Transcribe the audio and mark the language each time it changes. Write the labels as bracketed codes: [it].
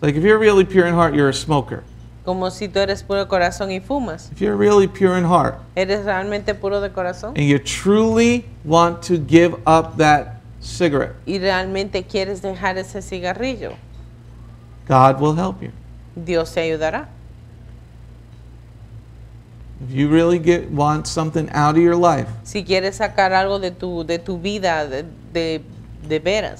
[en] Like if you're really pure in heart, you're a smoker. [es] Como si tú eres puro corazón y fumas. [en] If you're really pure in heart, [es] eres realmente puro de corazón. [en] And you truly want to give up that cigarette, [es] y realmente quieres dejar ese cigarrillo, [en] God will help you. [es] Dios te ayudará. [en] If you really want something out of your life, [es] si quieres sacar algo de tu vida de veras,